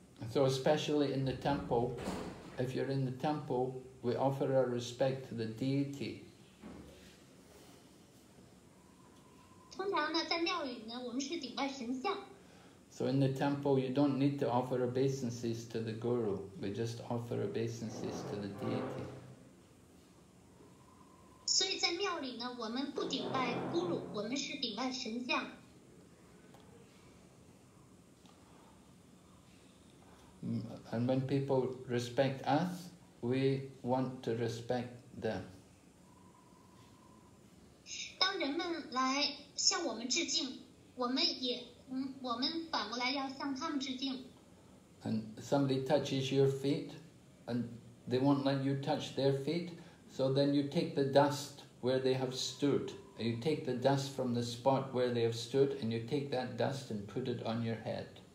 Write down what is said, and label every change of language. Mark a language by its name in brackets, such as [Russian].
[English] So especially in the temple, if you're in the temple, we offer our respect to the deity. [Chinese] 通常呢, 在庙宇呢, 我们是顶拜神像。 [English] So in the temple, you don't need to offer obeisances to the guru, we just offer obeisances to the deity. [Chinese] 所以在庙里呢, 我们不顶拜guru, 我们是顶拜神像。 [English] And when people respect us, we want to respect them. [Chinese] 当人们来向我们致敬, 我们也, 我们反过来要向他们致敬。 [English] And somebody touches your feet, and they won't let you touch their feet, so then you take the dust where they have stood, and you take the dust from the spot where they have stood, and you take that dust and put it on your head.